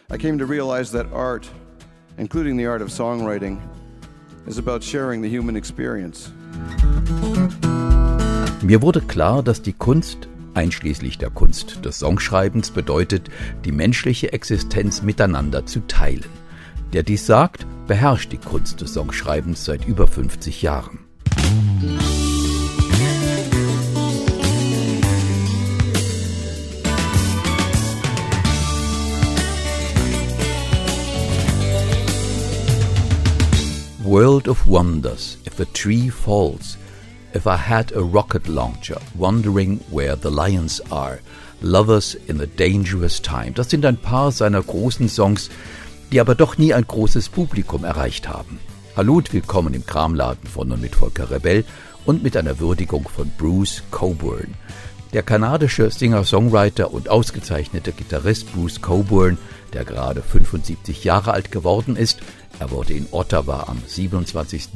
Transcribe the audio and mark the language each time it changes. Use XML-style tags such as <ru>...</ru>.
<en>I came to realize that art, including the art of songwriting, is about sharing the human experience.</en> <de>Mir wurde klar, dass die Kunst, einschließlich der Kunst des Songschreibens, bedeutet, die menschliche Existenz miteinander zu teilen. Der dies sagt, beherrscht die Kunst des Songschreibens seit über 50 Jahren.</de> <en>World of wonders, if a tree falls, if I had a rocket launcher, wondering where the lions are, lovers in a dangerous time.</en> <de>Das sind ein paar seiner großen Songs, die aber doch nie ein großes Publikum erreicht haben. Hallo und willkommen im Kramladen von und mit Volker Rebell und mit einer Würdigung von Bruce Cockburn. Der kanadische Singer-Songwriter und ausgezeichnete Gitarrist Bruce Cockburn, der gerade 75 Jahre alt geworden ist, er wurde in Ottawa am 27.</de>